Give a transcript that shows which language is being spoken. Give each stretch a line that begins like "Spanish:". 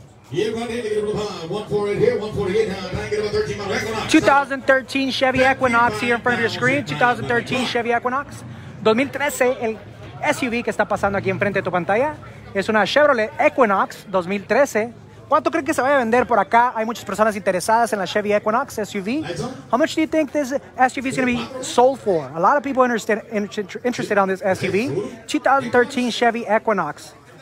English: 2013 Chevy Equinox here in front of your screen. 2013 Chevy Equinox.
Spanish: 2013, el SUV que está pasando aquí enfrente de tu pantalla es una Chevrolet Equinox 2013. ¿Cuánto creen que se vaya a vender por acá? Hay muchas personas interesadas en la Chevy Equinox SUV.
English: How much do you think this SUV is going to be sold for? A lot of people interested on this SUV. 2013 Chevy Equinox.